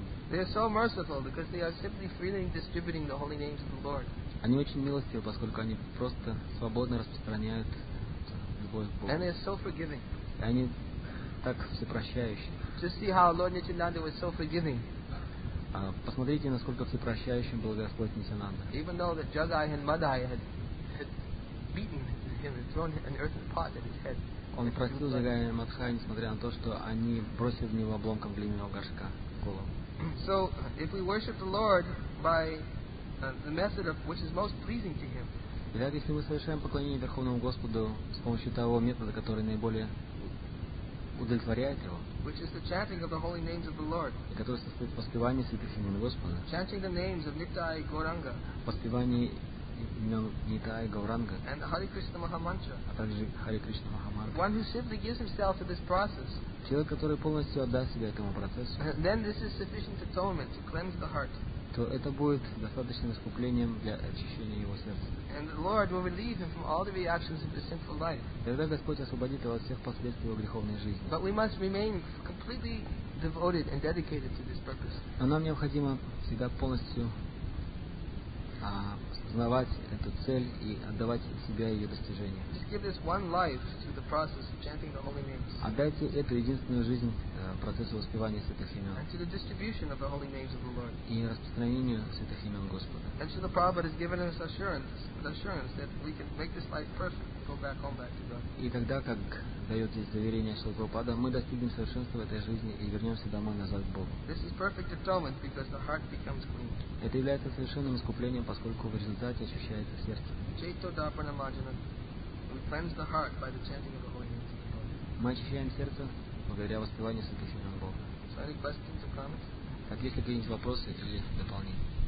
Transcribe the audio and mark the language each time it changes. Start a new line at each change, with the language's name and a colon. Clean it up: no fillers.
English: They are so merciful because they are simply freely distributing the holy names of the Lord.
Russian: Они очень милостивы, поскольку они просто свободно распространяют любовь к Богу.
English: And they are so forgiving.
Russian: И они так всепрощающие.
English: Just see how Lord Nityananda was so forgiving.
Russian: Посмотрите, насколько всепрощающим был Господь Нитянанда.
English: Even though the Jagai and Madai had beaten him and thrown an earthen pot at his head.
Russian: Он просил Джагая и Мадхая, несмотря на то, что они бросили в него обломком глиняного горшка в голову.
English: So, if we worship the Lord by the method of which is most pleasing to Him.
Russian: Итак, если мы совершаем поклонение Верховному Господу с помощью того метода, который наиболее удовлетворяет Его.
English: Which is the chanting of the holy names of the Lord.
Russian: И который состоит в поспевании святых имен Господа.
English: Chanting the names of Nitai и Goranga.
Russian: Поспевание имен Нитай и Гауранга,
English: and Hare Krishna Maha Mantra.
Russian: А также Hare Krishna Maha Mantra.
English: One who simply gives himself to this process.
Russian: Человек, который полностью отдаст себя этому процессу.
English: Then this is sufficient atonement to cleanse the heart.
Russian: То это будет достаточным искуплением для очищения его сердца.
English: And the Lord will relieve him from all the reactions of his sinful life.
Russian: Тогда Господь освободит его от всех последствий его греховной жизни.
English: But we must remain completely devoted and dedicated to this purpose.
Russian: Но нам необходимо всегда полностью познавать эту цель и отдавать себя ее достижению.
English: Just give this one life to the process of chanting the holy names.
Russian: Отдайте эту единственную жизнь процессу воспевания святых имен.
English: And to the distribution of the holy names of the Lord.
Russian: И распространению святых имен Господа.
English: And so the Prabhupada has given us assurance that we can make this life perfect and go back home back to God.
Russian: И тогда, как дает здесь заверение Шрила Прабхупада, мы достигнем совершенства в этой жизни и вернемся домой назад к Богу.
English: This is perfect atonement because the heart becomes clean.
Russian: Это является совершенным искуплением, поскольку в результате ощущается сердце. Мы очищаем сердце благодаря воспеванию святых имен Бога. Так, есть ли какие-нибудь вопросы или дополнения?